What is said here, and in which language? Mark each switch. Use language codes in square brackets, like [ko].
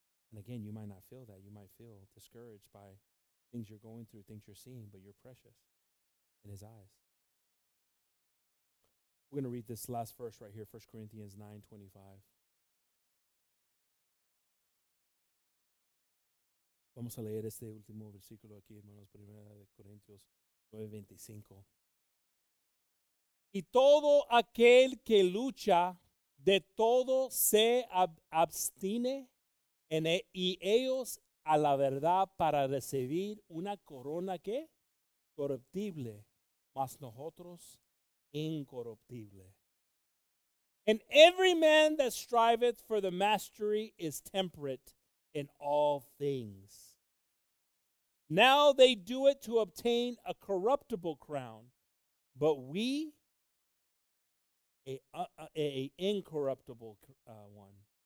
[en] And again, you might not feel that. You might feel discouraged by things you're going through, things you're seeing, but you're precious in his eyes. We're going to read this last verse right here, 1 Corinthians 9:25. [es] Vamos a leer este último versículo aquí, hermanos, 1 Corintios 9:25. Y todo aquel que lucha de todo se abstiene en y ellos a la verdad para recibir una corona que corruptible, mas nosotros incorruptible. [en] And every man that striveth for the mastery is temperate in all things. Now they do it to obtain a corruptible crown, but we a incorruptible one.